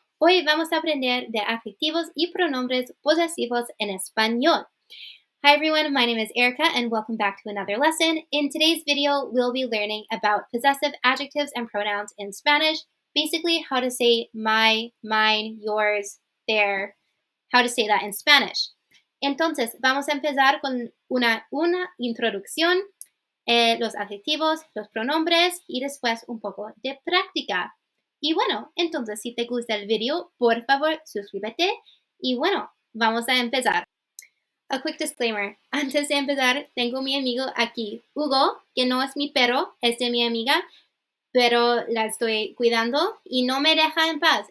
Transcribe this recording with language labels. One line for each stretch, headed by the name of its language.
Spanish: Hoy vamos a aprender de adjetivos y pronombres posesivos en español.
English: Hi everyone, my name is Erica and welcome back to another lesson. In today's video, we'll be learning about possessive adjectives and pronouns in Spanish, basically how to say my, mine, yours, their, how to say that in Spanish.
Spanish: Entonces, vamos a empezar con una introducción. Los adjetivos, los pronombres y después un poco de práctica. Y bueno, entonces si te gusta el video, por favor suscríbete y bueno, vamos a empezar.
English: A quick disclaimer,
Spanish: antes de empezar tengo mi amigo aquí, Hugo, que no es mi perro, es de mi amiga, pero la estoy cuidando y no me deja en paz.